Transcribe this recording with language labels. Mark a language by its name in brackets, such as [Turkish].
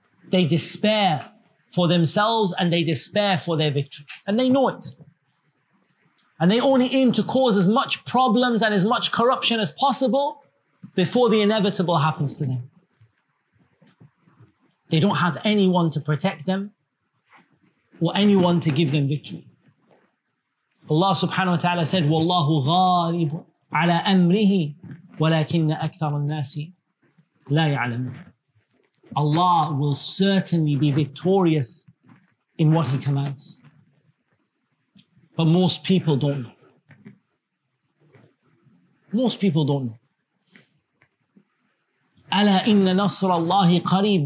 [English] They despair for themselves and they despair for their victory. And they know it. And they only aim to cause as much problems and as much corruption as possible before the inevitable happens to them. They don't have anyone to protect them or anyone to give them victory. Allah subhanahu wa ta'ala said, [Arabic] وَاللَّهُ غَالِبٌ عَلَىٰ أَمْرِهِ وَلَكِنَّ أَكْثَرَ النَّاسِ لَا يَعْلَمُونَ. [English] Allah will certainly be victorious in what He commands. But most people don't know. [Arabic] أَلَا إِنَّ نَصْرَ اللَّهِ قَرِيبٌ.